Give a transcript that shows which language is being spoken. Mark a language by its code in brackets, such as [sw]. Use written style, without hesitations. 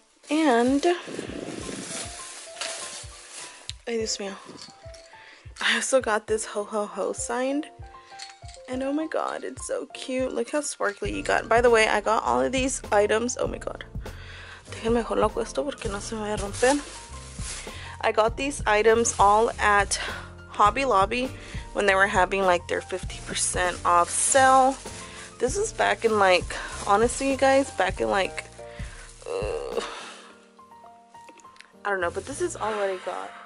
[en] And I just meow. I also got this ho ho ho signed. And oh my god, it's so cute. Look how sparkly you got. By the way, I got all of these items. Oh my god. [es] Déjenme mejor lo acuesto porque no se me vaya a romper. [en] I got these items all at Hobby Lobby when they were having like their 50% off sale. This is back in like, honestly, you guys, back in like, I don't know, but this is all what I got.